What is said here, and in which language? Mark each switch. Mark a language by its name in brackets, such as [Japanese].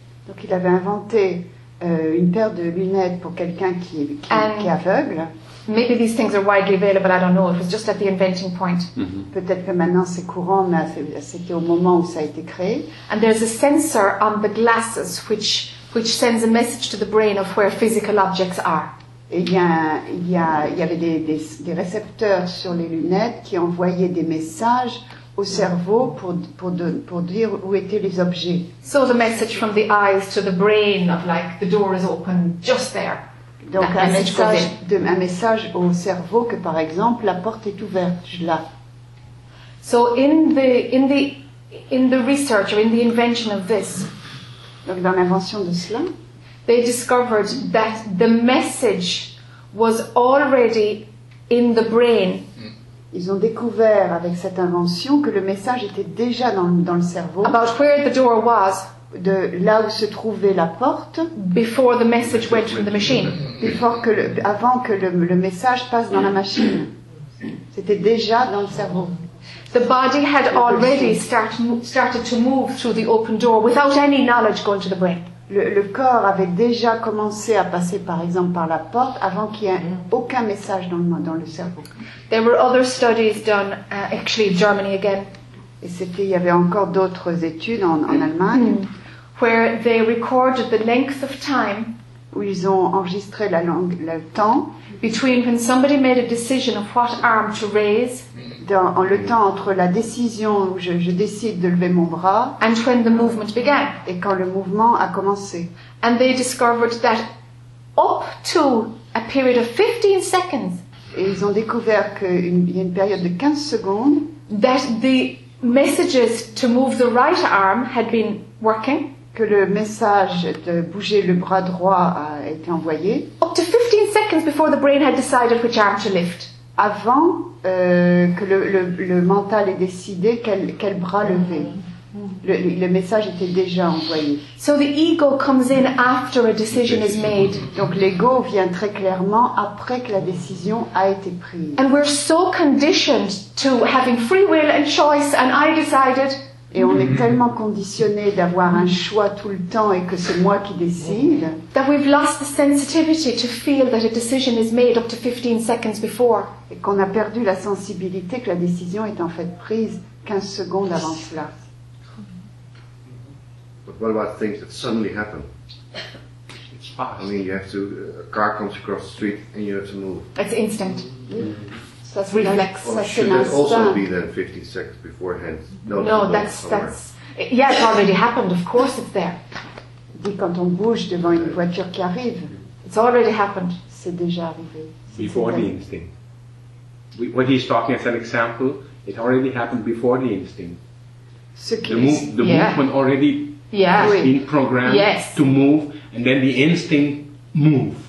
[French] Donc il avait inventé une paire de lunettes pour quelqu'un qui est aveugle. [English] Maybe these things are widely available, I don't know, it was just at the inventing point. Mm-hmm. [French] Peut-être que maintenant c'est courant, mais c'était au moment où ça a été créé. [English] And there's a sensor on the glasses which sends a message to the brain of where physical objects are. [French] Et il y avait des récepteurs sur les lunettes qui envoyaient des messages au cerveau pour dire où étaient les objets. [English] So the message from the eyes to the brain of like, the door is open just there. [French] Donc un message au cerveau que par exemple la porte est ouverte là. [English] So in the research or in the invention of this, [French] donc dans l'invention de cela, [English] they discovered that the message was already in the brain. [French] Ils ont découvert avec cette invention que le message était déjà dans le cerveau. [English] About where the door was. [French] De là où se trouvait la porte. [English] Before the message went from the machine. [French] Avant que le message passe dans la machine. C'était déjà dans le cerveau. [English] The body had already started to move through the open door without any knowledge going to the brain. [French] Le corps avait déjà commencé à passer, par exemple, par la porte avant qu'il y ait aucun message dans le cerveau. [English] There were other studies done, actually in Germany again. [French] Et c'était, il y avait encore d'autres études en Allemagne. [English] Where they recorded the length of time. [French] Où ils ont enregistré le temps. [English] Between when somebody made a decision of what arm to raise. [French] Le temps entre la décision où je décide de lever mon bras. [English] And when the movement began. [French] Et quand le mouvement a commencé. [English] And they discovered that up to a period of 15 seconds. [French] Et ils ont découvert qu'il y a une période de 15 secondes. [English] That the messages to move the right arm had been working. [French] Que le message de bouger le bras droit a été envoyé. [English] Up to 15 seconds before the brain had decided which arm to lift. [French] Avant que le mental ait décidé quel bras lever. Le message était déjà envoyé. [English] So the ego comes in after a decision is made. [French] Donc l'ego vient très clairement après que la décision a été prise. [English] And we're so conditioned to having free will and choice and I decided. [French] Et on est tellement conditionné d'avoir un choix tout le temps et que c'est moi qui décide. [English] That we've lost the sensitivity to feel that a decision is made up to 15 seconds before. [French] Et qu'on a perdu la sensibilité que la décision est en fait prise 15 secondes avant cela. [English] But what about things that suddenly happen? It's fast. I mean, you have to. A car comes across the street and you have to move. It's instant. That's reflex. Or should it also be then 15 seconds beforehand? No, that's. Yeah, it's already happened. Of course, it's there. [French] Dit quand on bouge devant une voiture qui arrive. [English] It's already happened. [French] C'est déjà arrivé. [English] Before the instinct. When he's talking as an example, it already happened before the instinct. Movement already. Yeah. Has been programmed to move, and then the instinct moves.